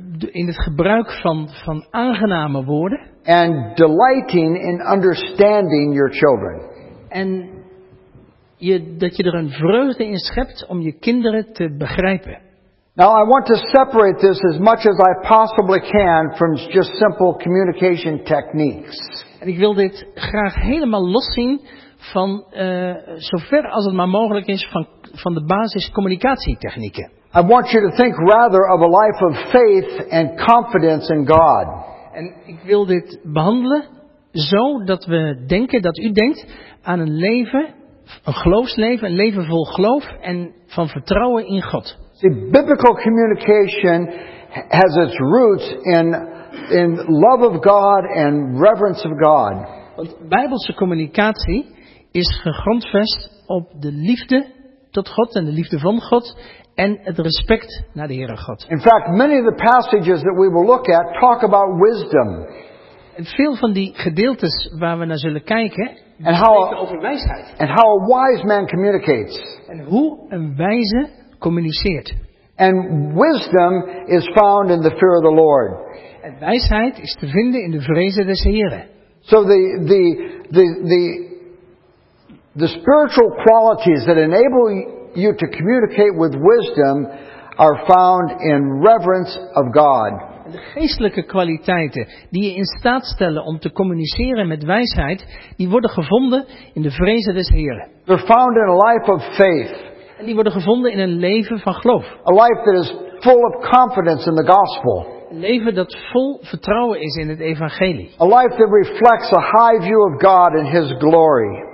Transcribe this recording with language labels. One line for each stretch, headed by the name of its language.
Dutch: In het gebruik van aangename woorden.
English: And delighting in understanding your children.
Dutch: En dat je er een vreugde in schept om je kinderen te begrijpen.
English: Now I want to separate this as much as I possibly can from just simple communication techniques.
Dutch: En ik wil dit graag helemaal loszien van zover als het maar mogelijk is van de basis communicatietechnieken.
English: I want you to think rather of a life of faith and confidence in God.
Dutch: En ik wil dit behandelen zo dat we denken, dat u denkt aan een leven, een geloofsleven, een leven vol geloof en van vertrouwen in God.
English: See, biblical communication has its roots in love of God and reverence of God.
Dutch: Want Bijbelse communicatie is gegrondvest op de liefde tot God en de liefde van God en het respect naar de Heere God.
English: In fact, many of the passages that we will look at talk about wisdom.
Dutch: En veel van die gedeeltes waar we naar zullen kijken, spreken over wijsheid.
English: And how a wise man communicates.
Dutch: En hoe een wijze communiceert.
English: And wisdom is found in the fear of the Lord.
Dutch: En wijsheid is te vinden in de vrezen des Heren.
English: So the spiritual qualities that enable you to communicate with wisdom are found in reverence of God.
Dutch: En de geestelijke kwaliteiten die je in staat stellen om te communiceren met wijsheid, die worden gevonden in de vrezen des Heren.
English: They're found in a life of faith.
Dutch: En die worden gevonden in een leven van geloof.
English: A life that is full of confidence in the gospel.
Dutch: Een leven dat vol vertrouwen is in het evangelie.
English: A life that reflects a high view of God and His glory.